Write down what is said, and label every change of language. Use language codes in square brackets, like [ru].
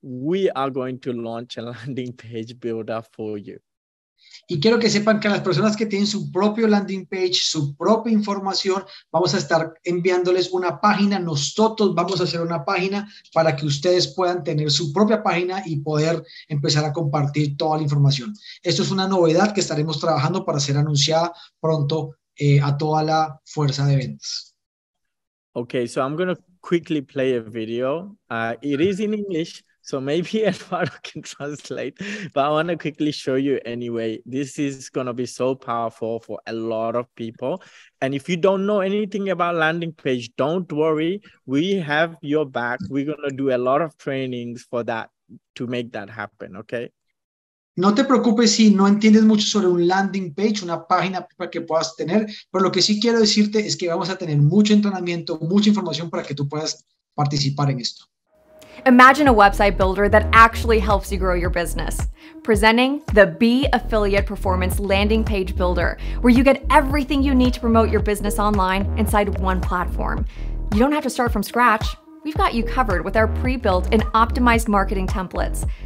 [en] We are going to launch a landing page builder for you. [es] Y quiero que sepan que las personas que tienen su propio landing page, su propia información, vamos a estar enviándoles una página. Nosotros vamos a hacer una página para que ustedes puedan tener su propia página y poder empezar a compartir toda la información. Esto es una novedad que estaremos trabajando para ser anunciada pronto a toda la fuerza de ventas. [en] Okay, so I'm going to quickly play a video. It is in English, so maybe Eduardo can translate, but I want to quickly show you anyway. This is going to be so powerful for a lot of people. And if you don't know anything about landing page, don't worry. We have your back. We're going to do a lot of trainings for that to make that happen, okay? [es] No te preocupes si no entiendes mucho sobre un landing page, una página para que puedas tener, pero lo que sí quiero decirte es que vamos a tener mucho entrenamiento, mucha información para que tú puedas participar en esto. [en] Imagine a website builder that actually helps you grow your business. Presenting the Be Affiliate Performance Landing Page Builder, where you get everything you need to promote your business online inside one platform. You don't have to start from scratch. We've got you covered with our pre-built and optimized marketing templates.